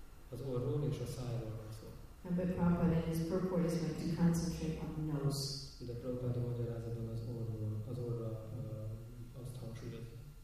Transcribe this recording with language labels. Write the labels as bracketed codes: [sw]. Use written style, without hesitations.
[hu] Az orról és a szájról van szó. [en] But Prabhupada in his purport is meant to concentrate on the nose. [hu] De Prabhupada magyarázatban az orról, az orra azt hangsúlyozza.